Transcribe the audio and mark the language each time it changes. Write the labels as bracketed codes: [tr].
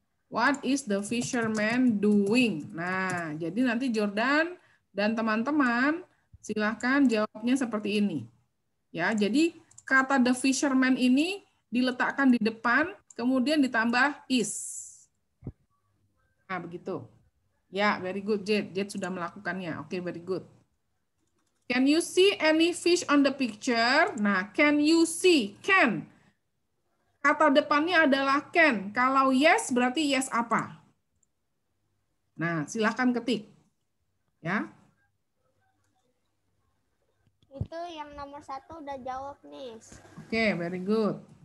[en] What is the fisherman doing? [id] Nah, jadi nanti Jordan dan teman-teman silahkan jawabnya seperti ini. Ya, jadi kata the fisherman ini diletakkan di depan, kemudian ditambah is. Nah, begitu. [en] Ya, very good, Jade. [id] Jade sudah melakukannya. [en] Oke, okay, very good. Can you see any fish on the picture? Nah, can you see? Can. [id] Kata depannya adalah can. Kalau yes, berarti yes apa? Nah, silahkan ketik. Ya. Itu yang nomor satu udah jawab, Miss. [en] Oke, okay, very good.